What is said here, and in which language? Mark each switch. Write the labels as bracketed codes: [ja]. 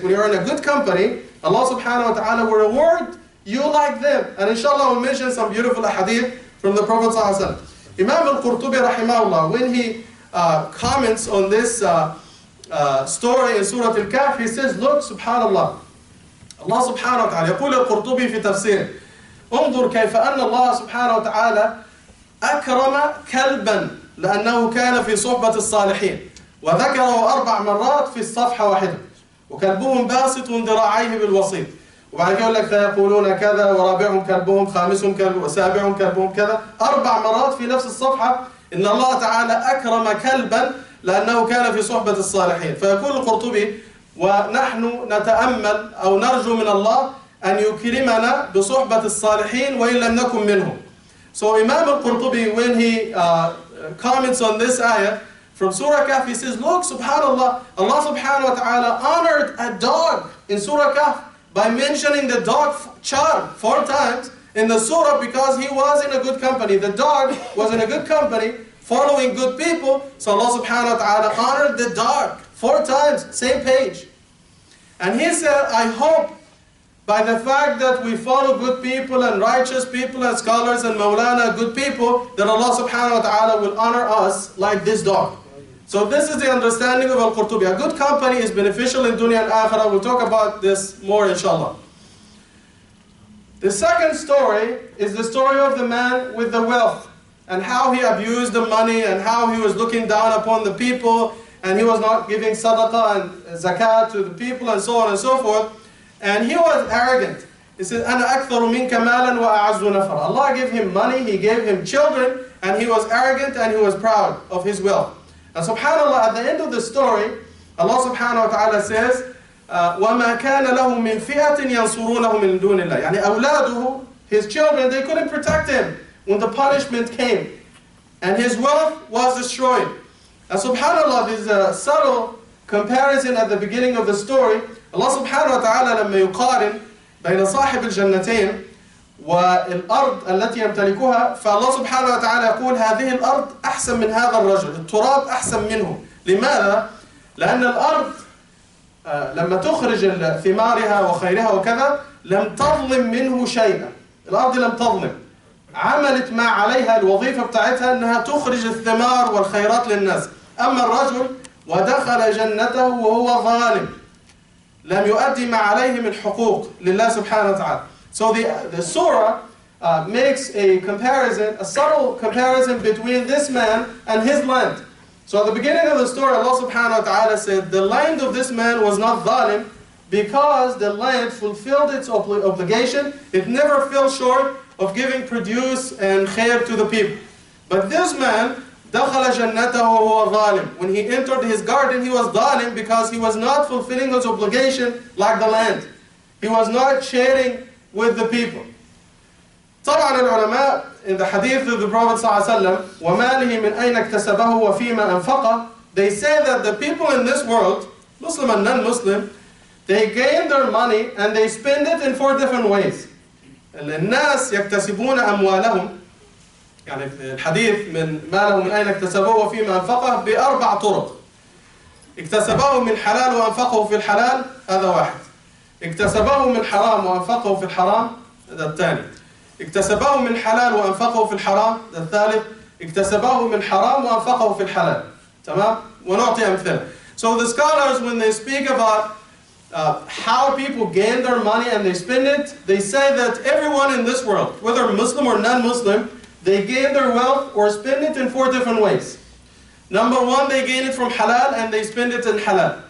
[en] When you are in a good company, Allah subhanahu wa ta'ala will reward you like them. And inshallah, we'll mention some beautiful hadith from the Prophet sallallahu alaihi wasallam. Imam al-Qurtubi rahimahullah, when he comments on this story in Surah Al-Kahf, he says, look, subhanallah, [ar] الله سبحانه وتعالى يقول القرطبي في تفسير: انظر كيف أن الله سبحانه وتعالى أكرم كلبا لأنه كان في صحبة الصالحين وذكره 4 مرات في الصفحة واحدة، وكلبهم باسط ذراعيه بالوسيط، وبعد كده يقول لك فيقولون كذا، ورابعهم كلبهم، خامسهم كلبهم، وسابعهم كلبهم كذا، 4 مرات في نفس الصفحة إن الله تعالى أكرم كلبا لأنه كان في صحبة الصالحين. فيقول القرطبي: ونحن نتأمل أو نرجو من الله أن يكرمنا بصحبة الصالحين وإن لم نكن منهم. [en] So Imam al-Qurtubi, when he comments on this ayah from Surah Kahf, he says, look, subhanAllah, Allah subhanahu wa ta'ala honored a dog in Surah Kahf by mentioning the dog charm 4 times in the surah because he was in a good company. The dog was in a good company following good people. So Allah subhanahu wa ta'ala honored the dog 4 times, same page. And he said, I hope by the fact that we follow good people and righteous people and scholars and maulana, good people, that Allah subhanahu wa ta'ala will honor us like this dog. So this is the understanding of Al-Qurtubi. A good company is beneficial in dunya and akhirah. We'll talk about this more inshallah. The second story is the story of the man with the wealth and how he abused the money and how he was looking down upon the people and he was not giving sadaqah and zakat to the people and so on and so forth. And he was arrogant. He said, [ar] أَنَا أَكْثَرُ مِنْكَ مَالًا وَأَعَزُّ نَفَرًا. [en] Allah gave him money, he gave him children, and he was arrogant and he was proud of his wealth. And subhanAllah, at the end of the story, Allah subhanahu wa ta'ala says, [ar] وَمَا كَانَ لَهُم مِّن فِئَةٍ يَنصُرُونَهُ مِن دُونِ اللَّهِ. يعني أولاده, [en] his children, they couldn't protect him when the punishment came. And his wealth was destroyed. And subhanAllah, this is a subtle comparison at the beginning of the story. [ar] الله سبحانه وتعالى لما يقارن بين صاحب الجنتين والأرض التي يمتلكها، فالله سبحانه وتعالى يقول هذه الأرض أحسن من هذا الرجل، التراب أحسن منه. لماذا؟ لأن الأرض لما تخرج ثمارها وخيرها وكذا لم تظلم منه شيئا، الأرض لم تظلم، عملت ما عليها الوظيفة بتاعتها أنها تخرج الثمار والخيرات للناس. أما الرجل ودخل جنته وهو ظالم لم يؤدي ما عليه من حقوق لله سبحانه وتعالى. [en] So the surah makes a comparison, a subtle comparison between this man and his land. So at the beginning of the story, Allah subhanahu wa ta'ala said, the land of this man was not zalim because the land fulfilled its obligation. It never fell short of giving produce and khair to the people. But this man, [ar] دخل جنته وهو ظالم. [en] When he entered his garden, he was ظالم because he was not fulfilling his obligation like the land. He was not sharing with the people. [ar] طبعا العلماء [en] in the hadith of the Prophet صلى الله عليه وسلم [ar] وماله من أين اكتسبه وفيما أنفقه, [en] they say that the people in this world, Muslim and non-Muslim, they gain their money and they spend it in 4 different ways. [ar] الناس يكتسبون أموالهم, يعني الحديث من ماله من أين اكتسبوه وفيما أنفقه, ب4 طرق. اكتسبوه من حلال وأنفقه في الحلال, هذا واحد. اكتسبوه من حرام وأنفقه في الحرام, هذا الثاني. اكتسبوه من حلال وأنفقه في الحرام, هذا الثالث. اكتسبوه من حرام وأنفقه في الحلال, تمام. ونعطي أمثلة. [en] So the scholars, when they speak about how people gain their money and they spend it, they say that everyone in this world, whether Muslim or non-Muslim, they gain their wealth or spend it in 4 different ways. Number one, they gain it from halal and they spend it in halal.